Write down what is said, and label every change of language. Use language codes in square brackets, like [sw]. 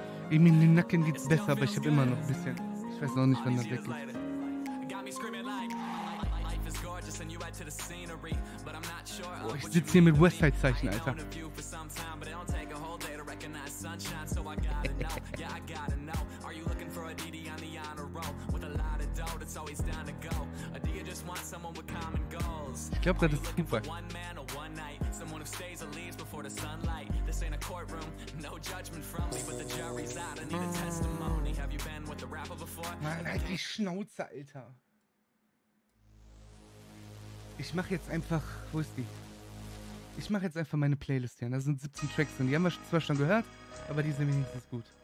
[de] Ich meine, den Nacken geht's besser, aber ich hab immer noch ein bisschen. Ich weiß auch nicht, wann das weg ist. Oh, ich sitz hier mit Westside-Zeichen, Alter. [en] Sunshine, so I gotta know, yeah, I gotta know. Are you looking for a DD on the honor roll? With a lot of dough, that's always down to go. A D just wants someone with common goals. [de] Ich glaub, [en] that is super. One man or one night, someone who stays or leaves before the sunlight. This ain't a courtroom, no judgment from me, but the jury's out. I need a testimony. Have you been with the rapper before? [de] Man, halt die Schnauze, Alter. Ich mach jetzt einfach, wo ist die? Ich mach jetzt einfach meine Playlist hier. Da sind 17 Tracks drin. Die haben wir zwar schon gehört, aber die sind wenigstens gut.